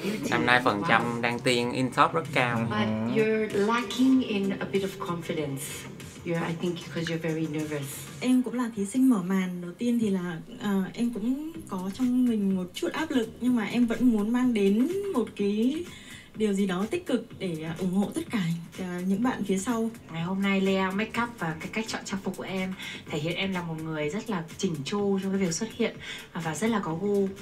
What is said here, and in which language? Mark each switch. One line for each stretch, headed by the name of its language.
Vietnamese: Năm nay phần trăm đăng tiên in top rất cao.
English: But you're lacking in a bit of confidence. Yeah, I think because you're very nervous.
Vietnamese: Em cũng là thí sinh mở màn đầu tiên thì là em cũng có trong mình một chút áp lực nhưng mà em vẫn muốn mang đến một cái điều gì đó tích cực để ủng hộ tất cả những bạn phía sau. Ngày hôm nay layout, make up và cái cách chọn trang phục của em thể hiện em là một người rất là chỉnh chu trong cái việc xuất hiện và rất là có gu.